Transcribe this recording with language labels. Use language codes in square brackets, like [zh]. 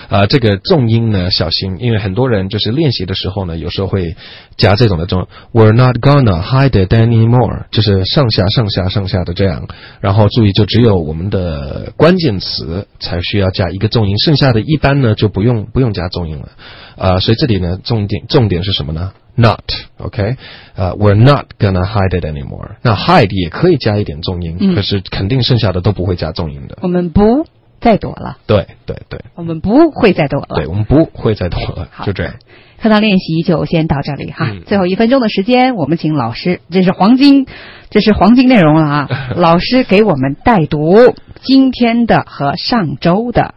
[zh] 这个重音呢小心，因为很多人就是练习的时候呢有时候会夹这种的重。 [en] We're not gonna hide it anymore, [zh] 就是上下上下上下的这样。然后注意就只有我们的关键词才需要加一个重音，剩下的一般呢就不用加重音了。所以这里呢重点是什么呢？ [en] Not, OK, we're not gonna hide it anymore. [zh] 那 hide 也可以加一点重音、嗯、可是肯定剩下的都不会加重音的。我们不再躲了。对对对。我们不会再躲了。对，我们不会再躲了。好，就这样。课堂练习就先到这里哈、嗯、最后一分钟的时间我们请老师，这是黄金内容了啊老师给我们带读今天的和上周的。